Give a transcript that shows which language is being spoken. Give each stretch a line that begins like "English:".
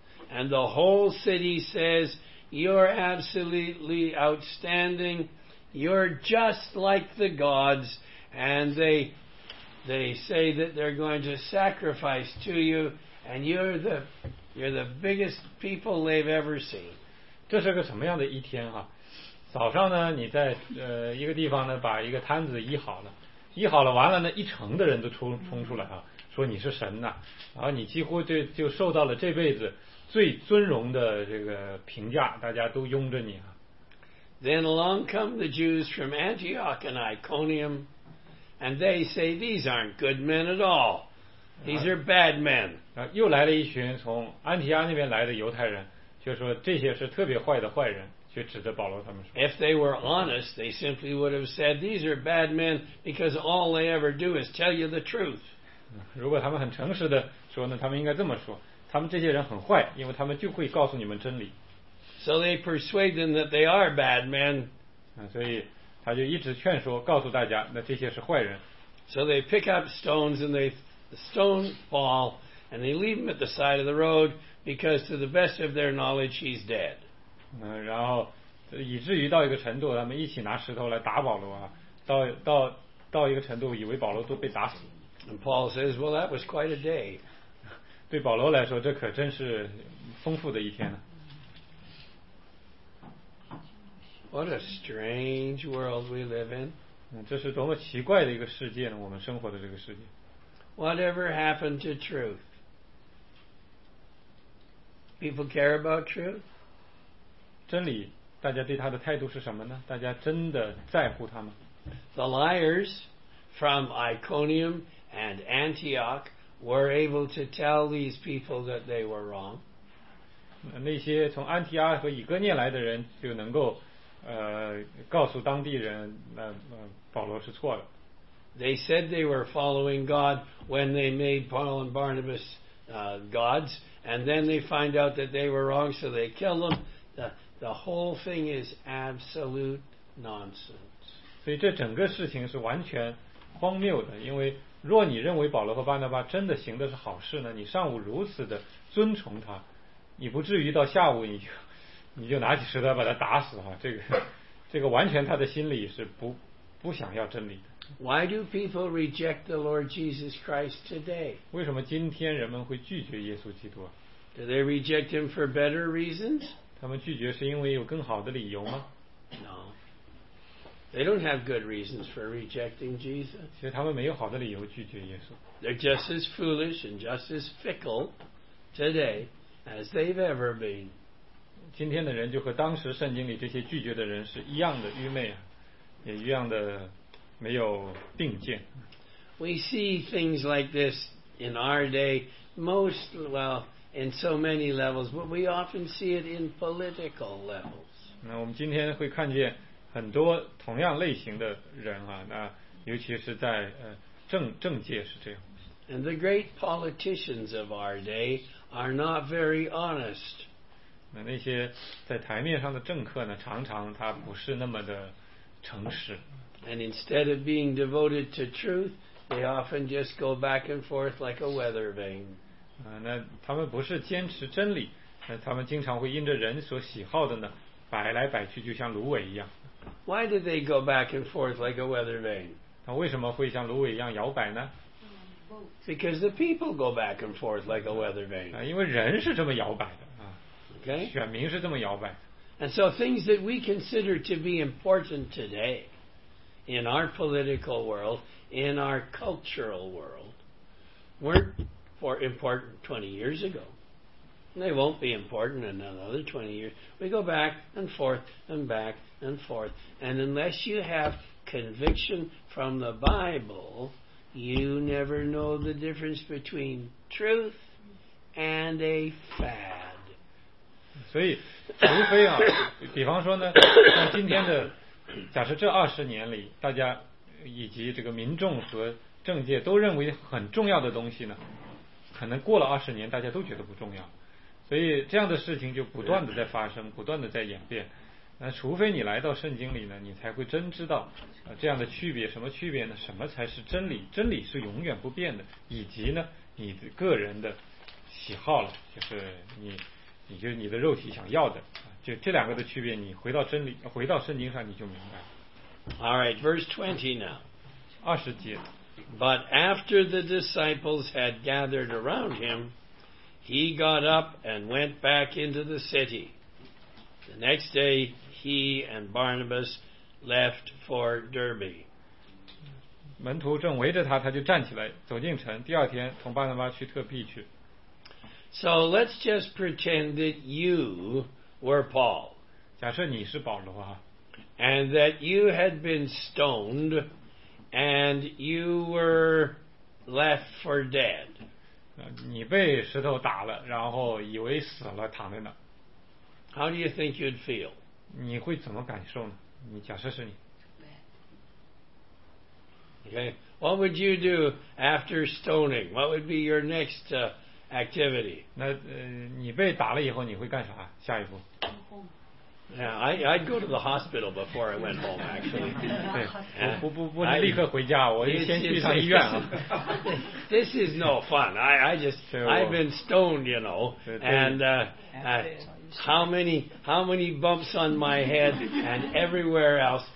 English: And the whole city says, you're absolutely outstanding. You're just like the gods. And they say that they're going to sacrifice to you, and you're the biggest people they've ever seen.
Chinese: 这是个什么样的一天啊？早上呢，你在一个地方呢，把一个摊子医好了，完了呢，一城的人都冲出来啊，说你是神呐、啊，然后你几乎就受到了这辈子最尊荣的这个评价，大家都拥着你啊。
English: Then along come the Jews from Antioch and Iconium. And they say, these aren't good men at all. These are bad men.
Chinese: 又来了一群从安提阿那边来的犹太人，就说这些是特别坏的坏人，就指着保罗他们说。
English: If they were honest, they simply would have said, these are bad men because all they ever do is tell you the truth.
Chinese: 如果他们很诚实的说呢，他们应该这么说，他们这些人很坏，因为他们就会告诉你们真理。
English: So they persuade them that they are bad men.
Chinese: 所以他就一直劝说告诉大家那这些是坏人
English: so they pick up stones and they stone Paul and they leave him at the side of the road because to the best of their knowledge he's dead
Chinese: 然后以至于到一个程度他们一起拿石头来打保罗啊，到一个程度以为保罗都被打死
English: and Paul says well that was quite a day
Chinese: 对保罗来说这可真是丰富的一天了
English: What a strange world we live in.
Chinese: 这是多么奇怪的一个世界呢？我们生活的这个世界。
English: Whatever happened to truth? People care about truth?
Chinese: 真理，大家对他的态度是什么呢？大家真的在乎他吗
English: ？The liars from Iconium and Antioch were able to tell these people that they were wrong.
Chinese: 那些从安提阿和以哥涅来的人就能够告诉当地人保罗是错的
English: They said they were following God when they made Paul and Barnabas gods and then they find out that they were wrong so they kill them the whole thing is absolute nonsense
Chinese: 所以这整个事情是完全荒谬的因为若你认为保罗和巴拿巴真的行的是好事呢你上午如此的尊崇他你不至于到下午你就拿起石头把他打死哈，这个完全他的心里是不想要真理的。
English: Why do people reject the Lord Jesus Christ today?
Chinese: 为什么今天人们会拒绝耶稣基督
English: ？Do they reject him for better reasons?
Chinese: 他们拒绝是因为有更好的理由吗
English: ？No. They don't have good reasons for rejecting Jesus.
Chinese: 其实他们没有好的理由拒绝耶稣。
English: They're just as foolish and just as fickle today as they've ever been.
Chinese: 今天的人就和当时圣经里这些拒绝的人是一样的愚昧，也一样的没有定见。
English: We see things like this in our day, most well in so many levels, but we often see it in political levels.
Chinese: 那我们今天会看见很多同样类型的人啊，那尤其是在政界是这样。
English: And the great politicians of our day are not very honest.
Chinese: 那些在台面上的政客呢，常常他不是那么的诚实。
English: And instead of being devoted to truth, they often just go back and forth like a weather vane.
Chinese: 那他们不是坚持真理，那他们经常会因着人所喜好的呢，摆来摆去，就像芦苇一样。
English: Why do they go back and forth like a weather vane?
Chinese: 他为什么会像芦苇一样摇摆呢？
English: Because the people go back and forth like a weather vane.
Chinese: 因为人是这么摇摆的啊。
English: Okay.
Chinese: 选民是这么摇摆的。
English: And so things that we consider to be important today. In our political world, in our cultural world, weren't for important 20 years ago. They won't be important in another 20 years. We go back and forth and back and forth. And unless you have conviction from the Bible, you never know the difference between truth and a fad.
Chinese: 所以，除非啊，比方说呢，像今天的。假设这二十年里，大家以及这个民众和政界都认为很重要的东西呢，可能过了二十年，大家都觉得不重要。所以这样的事情就不断的在发生，不断的在演变。那除非你来到圣经里呢，你才会真知道这样的区别，什么区别呢？什么才是真理？真理是永远不变的，以及呢，你的个人的喜好了，就是你就是你的肉体想要的。就这两个的区别，你回到真理，回到圣经上，你就明白。
English: All right, verse 20 now.
Chinese: 二十节。
English: But after the disciples had gathered around him, he got up and went back into the city. The next day, he and Barnabas left for Derbe.
Chinese: 门徒正围着他，他就站起来，走进城。第二天，同巴拿巴去特庇去。
English: So let's just pretend that you. Were Paul.
Chinese: 假设你是保罗啊。
English: And that you had been stoned and you were left for dead.
Chinese: 你被石头打了，然后以为死了，躺在那。
English: How do you think you'd feel?
Chinese: 你会怎么感受呢？你假设是你。
English: Okay. What would you do after stoning? What would be your next, activity?
Chinese: 那你被打了以后你会干啥？下一步。
English: Yeah, I'd go to the hospital before I went home, actually.
Chinese: 不能立刻回家，我就先去上医院啊。
English: This is no fun. I've been stoned, you know. And how many bumps on my head and everywhere else?